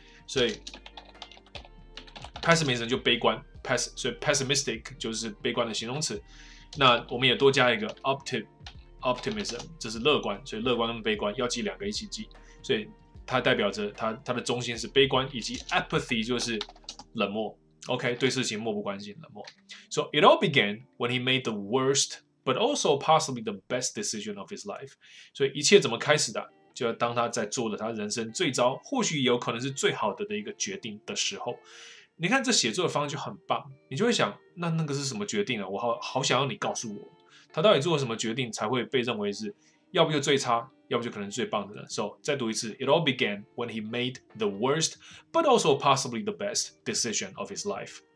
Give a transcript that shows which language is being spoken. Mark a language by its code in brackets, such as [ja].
[zh] 所以 pessimism 就悲观 所以 pessimistic 就是悲观的形容词。那我们也多加一个 optimism， 这是乐观，所以乐观跟悲观要记两个一起记。所以它代表着 它的中心是悲观，以及 apathy 就是冷漠。 OK， 对事情漠不关心，冷漠。 [en] So it all began when he made the worst, but also possibly the best decision of his life. [zh] 所以一切怎么开始的？就要当他在做了他人生最糟，或许有可能是最好的一个决定的时候。你看这写作的方式就很棒，你就会想，那个是什么决定啊？我 好想要你告诉我，他到底做了什么决定才会被认为是，要不就最差，要不就可能是最棒的呢？ [en] So [zh] 再读一次 [en] ，It all began when he made the worst, but also possibly the best decision of his life.